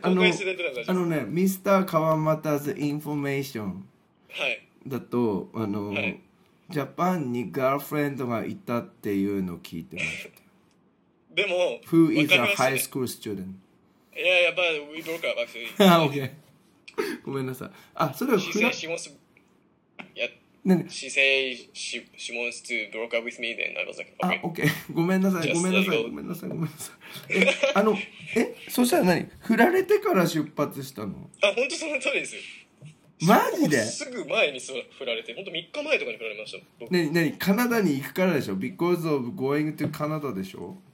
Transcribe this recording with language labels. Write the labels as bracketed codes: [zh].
[ja] あの公開してないから大丈夫。あのね、ミスター川又 's information だと、はい、あの、はい、ジャパンにガールフレンドがいたっていうのを聞いてます。でも [en] Who is a high school student? [ja] いやいや、 [en] but we broke up actually. [ja] OK ごめんなさい。あ、それは [en] She said she wants to She said she wants to broke up with me then I was like, okay. [ja] OK ごめんなさい、ごめんなさい、ごめんなさい、ごめんなさい。え、あの、え、そしたら何？振られてから出発したの？あ、本当その通りですよ。マジですぐ前に振られて、ほんと3日前とかに振られました。何、何、カナダに行くからでしょ ? [en] Because of going to Canada [ja] でしょ？